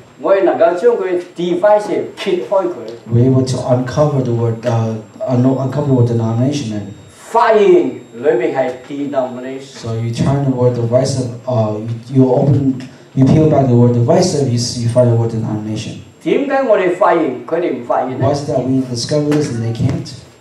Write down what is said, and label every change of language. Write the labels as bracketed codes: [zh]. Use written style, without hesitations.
[yue] 我哋能夠將佢 divisive 揭開佢。 [en] We're able to uncover the word uncover the word denomination and. [yue] 發現裏邊係 denomination. [en] So you turn the word divisive, you peel back the word divisive, you find the word denomination. [yue] 點解我哋發現佢哋唔發現咧？ [en] Why is that we discover this and they can't?